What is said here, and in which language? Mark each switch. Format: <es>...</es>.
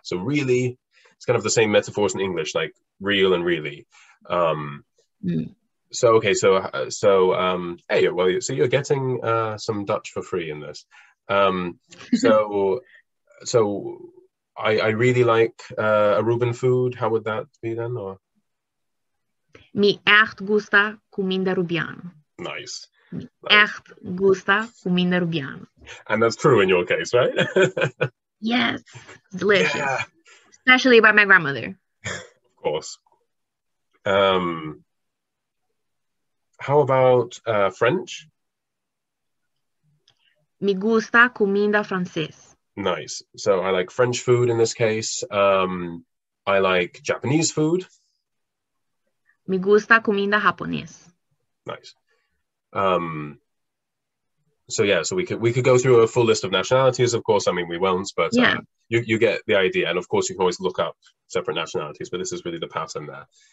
<en>So really, it's kind of the same metaphors in English, like real and really. So okay, so so hey, well, so you're getting some Dutch for free in this. So I really like Aruban food. How would that be then? Or</en> <pap>me echt gusta comida rubiana.</pap> <en>Nice.</en> <pap>Echt gusta comida rubiana.</pap> <en>And that's true in your case, right? Yes, delicious. Yeah. Especially by my grandmother. Of course. How about French?</en> <pap>Me gusta comida francés.</pap> <en>Nice. So I like French food in this case. I like Japanese food.</en> <pap>Me gusta comida japonés.</pap> <en>Nice. So yeah, so we could go through a full list of nationalities, of course. I mean, we won't, but yeah. you get the idea. And of course, you can always look up separate nationalities, but this is really the pattern there.</en>